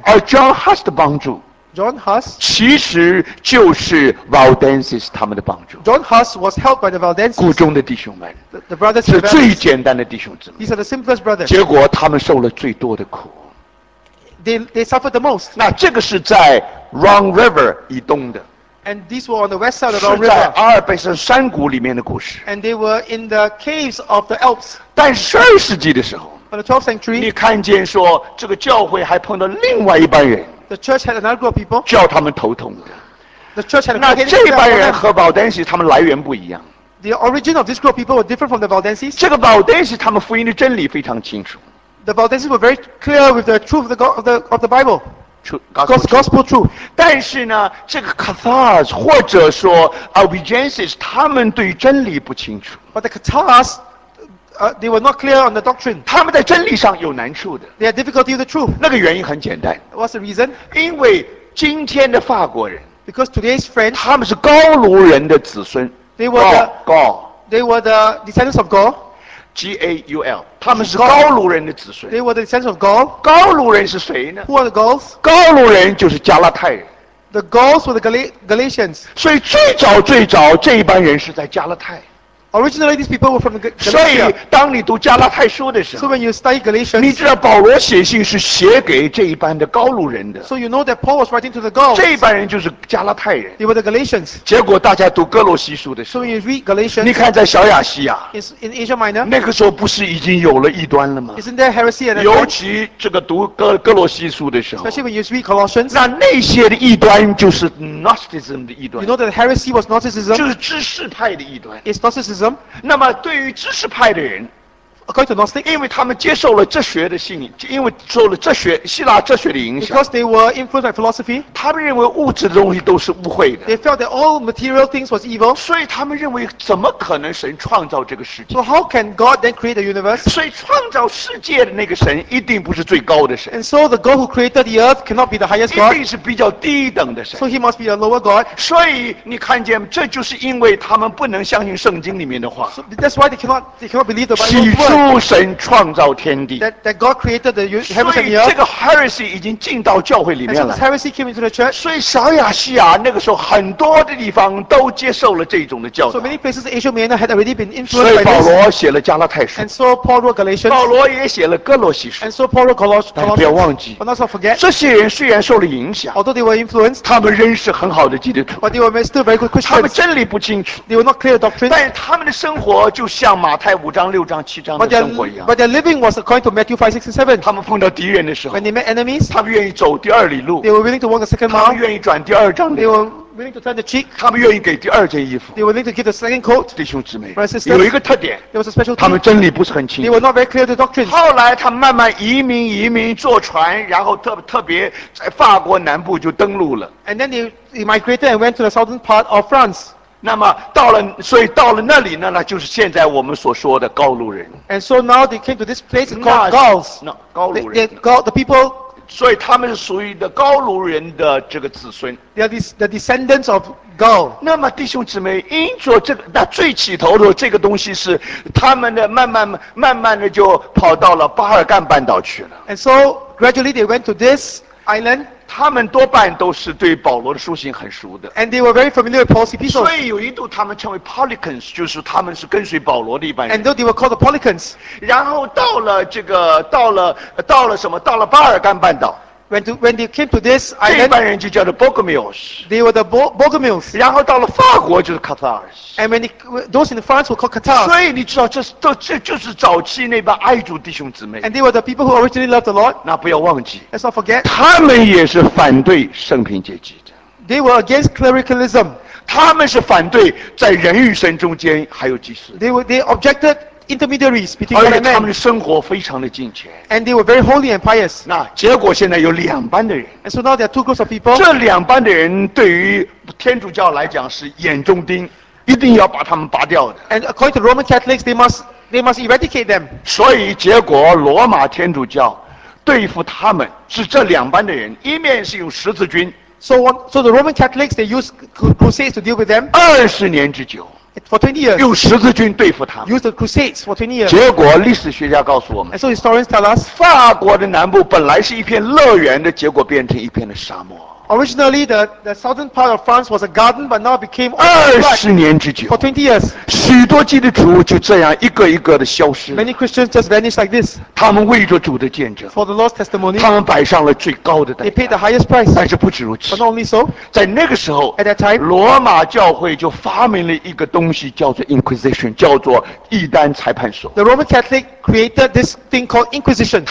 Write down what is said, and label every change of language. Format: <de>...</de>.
<zh>而 John Huss 的帮助。</zh> <en>John Huss</en> <zh>其实就是 Valdensis 他们的帮助。</zh> <en>John Huss was helped by the Valdensis.</en> <zh>谷中的弟兄们</zh> <en>the brothers</en> <zh>是最简单的弟兄姊妹。</zh> <en>These are the simplest brothers.</en> <zh>结果他们受了最多的苦。</zh> <en>They suffered the most.</en> <zh>那这个是在 Wrong River 以东的。</zh> <en>And these were on the west side of the Wrong River.</en> <zh>是在阿尔卑斯山谷里面的故事。</zh> <en>And they were in the caves of the Alps.</en> <zh>但12世纪的时候</zh> <en>，On the 12th century,</en> <zh>你看见说这个教会还碰到另外一班人。</zh> <en>The church had another group of people.</en> <zh>叫他们头痛的。</zh> <en>The church had.</en> <zh>那这班人和 Valdensis 他们来源不一样。</zh> <en>The origin of this group of people were different from the Valdensis.</en> <zh>这个 Valdensis 他们福音的真理非常清楚。</zh> <en>The Valdensis were very clear with the truth of the Bible. Gospel truth.</en> <zh>但是呢，这个 Cathars 或者说 Albigenses 他们对真理不清楚。</zh> <en>But the Cathars. They were not clear on the doctrine.</en> <zh>他们在真理上有难处的。</zh> <en>They had difficulty with the truth.</en> <zh>那个原因很简单。</zh> <en>What's the reason?</en> <zh>因为今天的法国人。</zh> <en>Because today's French.</en> <zh>他们是高卢人的子孙。</zh> <en>They were the Gaul. They were the descendants of Gaul.</en> <zh>G A U L. 他们是高卢人的子孙。</zh> <en>They were the descendants of Gaul.</en> <zh>高卢人是谁呢？</zh> <en>Who are the Gauls?</en> <zh>高卢人就是加拉太人。</zh> <en>The Gauls were the Galatians.</en> <zh>所以最早最早这一班人是在加拉太。</zh> <en>Originally, these people were from Galatia.</en> <zh>所以，当你读加拉太书的时候</zh> <en>，So when you study Galatians,</en> <zh>你知道保罗写信是写给这一班的高卢人的。</zh> <en>So you know that Paul was writing to the Gauls.</en> <zh>这一班人就是加拉太人。</zh> <en>They were the Galatians.</en> <zh>结果大家读哥罗西书的时候</zh> <en>，So when you read Galatians,</en> <zh>你看在小亚细亚</zh> <en>，In Asia Minor,</en> <zh>那个时候不是已经有了异端了吗</zh> <en>？Isn't there heresy at that?</en> <zh>尤其这个读哥罗西书的时候</zh> <en>，Especially when you read Colossians,</en> <zh>那些的异端就是 Gnosticism 的异端。</zh> <en>You know that heresy was Gnosticism.</en> <zh>就是知识派的异端。</zh> <en>It's Gnosticism.</en> <zh>那么对于知识派的人</zh> <en>According to Gnostics,</en> <zh>因为他们接受了哲学的信仰，因为受了哲学希腊哲学的影响。</zh> <en>Because they were influenced by philosophy,</en> <zh>他们认为物质的东西都是污秽的。</zh> <en>They felt that all material things was evil.</en> <zh>所以他们认为怎么可能神创造这个世界</zh> <en>？So how can God then create the universe?</en> <zh>所以创造世界的那个神一定不是最高的神。</zh> <en>And so the God who created the earth cannot be the highest God.</en> <zh>一定是比较低等的神。</zh> <en>So he must be a lower God.</en> <zh>所以你看见，这就是因为他们不能相信圣经里面的话。</zh> <en>So that's why they cannot believe the Bible.</en> <zh>神创造天地</zh> <en>that God created the heavens and the earth.</en> <zh>所以这个 heresy 已经进到教会里面了。</zh> <en>So heresy came into the church.</en> <zh>所以小亚细亚那个时候很多的地方都接受了这种的教导。</zh> <en>So many places in Asia Minor had already been influenced.</en> <zh>所以保罗写了加拉太书。</zh> <en>And so Paul wrote Galatians.</en> <zh>保罗也写了哥罗西书。</zh> <en>And so Paul wrote Colossians.</en> <zh>但不要忘记</zh> <en>，but not so forget.</en> <zh>这些人虽然受了影响</zh> <en>，although they were influenced.</en> <zh>他们仍是很好的基督徒。</zh> <en>But they were still very good Christians.</en> <zh>他们真理不清楚</zh> <en>，they were not clear doctrine.</en> <zh>但他们的生活就像马太五章、六章、七章。</zh> <en>But their living was according to Matthew 5, 6, and 7.</en> <zh>他们碰到敌人的时候</zh> <en>，when they met enemies,</en> <zh>他们愿意走第二里路</zh> <en>，they were willing to walk the second mile.</en> <zh>他们愿意转第二张脸</zh> <en>，they were willing to turn the cheek.</en> <zh>他们愿意给第二件衣服</zh> <en>，they were willing to give the second coat.</en> <zh>弟兄姊妹</zh> <en>，brothers and sisters,</en> <zh>有一个特点</zh> <en>，there was a special.</en> <zh>他们真理不是很清楚</zh> <en>，they were not very clear the doctrine.</en> <zh>后来他们慢慢移民坐船，然后特别在法国南部就登陆了</zh> <en>，and then they migrated and went to the southern part of France.</en> <zh>那么到了，所以到了那里呢，那就是现在我们所说的高卢人。</zh> <en>And so now they came to this place called Gauls.</en> <zh>No, 高卢人。</zh> <en>The people.</en> <zh>所以他们是属于的高卢人的这个子孙。</zh> <en>They are the descendants of Gaul.</en> <zh>那么弟兄姊妹，因着这个，那最起头的这个东西是他们的慢慢的就跑到了巴尔干半岛去了。</zh> <en>And so gradually they went to this island.</en> <zh>他们多半都是对保罗的书信很熟的</zh> <en>，and they were very familiar with Paul's epistles.</en> <zh>所以有一度他们称为 Polycans， 就是他们是跟随保罗的一般人。</zh> <en>And though they were called the Polycans.</en> <zh>然后到了这个，到了什么？到了巴尔干半岛。</zh> <en>When they came to this island,</en> <zh>这一般人就叫做 Bogomils.</zh> <en>They were the Bogomils.</en> <zh>然后到了法国就是 Cathars.</zh> <en>And when those in France were called Cathars.</en> <zh>所以你知道这就是早期那帮爱主弟兄姊妹。</zh> <en>And they were the people who originally loved the Lord.</en> <zh>那不要忘记。</zh> <en>Let's not forget.</en> <zh>他们也是反对圣品阶级的。</zh> <en>They were against clericalism.</en> <zh>他们是反对在人与神中间还有祭司。</zh> <en>They objected. Intermediaries between men.</en> <zh>而且他们的生活非常的敬虔。</zh> <en>And they were very holy and pious.</en> <zh>那结果现在有两班的人。</zh> <en>And so now there are two groups of people.</en> <zh>这两班的人对于天主教来讲是眼中钉，一定要把他们拔掉的。</zh> <en>And according to Roman Catholics, they must eradicate them.</en> <zh>所以结果罗马天主教对付他们是这两班的人，一面是用十字军。</zh> <en>So the Roman Catholics they use crusades to deal with them.</en> <zh>二十年之久。</zh> <en>For 20 years,</en> <zh>用十字军对付他们。</zh> <en>Use the Crusades for 20 years.</en> <zh>结果历史学家告诉我们。</zh> <en>And so historians tell us,</en> <zh>法国的南部本来是一片乐园的，结果变成一片的沙漠。</zh> <en>Originally, the southern part of France was a garden, but now became</en> <zh>二十年之久。</zh> <en>For 20 years,</en> <zh>许多基督徒就这样一个一个的消失。</zh> <en>Many Christians just vanished like this.</en> <zh>他们为着主的见证。</zh> <en>For the Lord's testimony,</en> <zh>他们摆上了最高的代价。</zh> <en>They paid the highest price.</en> <zh>但是不止如此。</zh> <en>But not only so.</en> <zh>在那个时候</zh> <en>，at that time,</en> <zh>罗马教会就发明了一个东西，叫做 Inquisition， 叫做异端裁判所。</zh> <en>The Roman Catholic created this thing called Inquisition.</en>